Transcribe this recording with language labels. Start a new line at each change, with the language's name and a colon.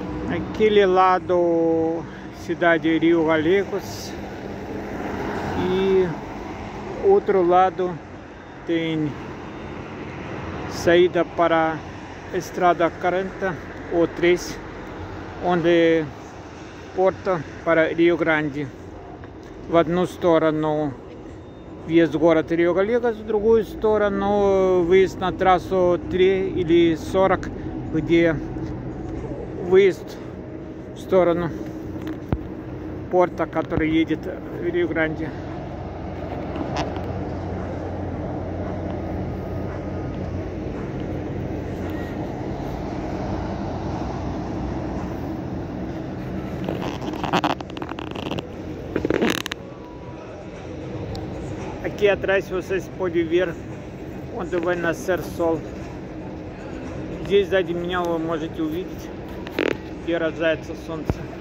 Portuguese: Aquele lado, cidade Rio Gallegos, e outro lado tem saída para estrada 40 ou 3, onde porta para Rio Grande.
Russian: В одну сторону въезд в город Рио Гallegos, в другую сторону выезд на трассу 3 или 40, где выезд в сторону порта, который едет в Рио-Гранде.
Portuguese: Aqui atrás vocês podem ver, onde vai nascer sol.
Russian: Здесь сзади меня вы можете увидеть, где рождается солнце.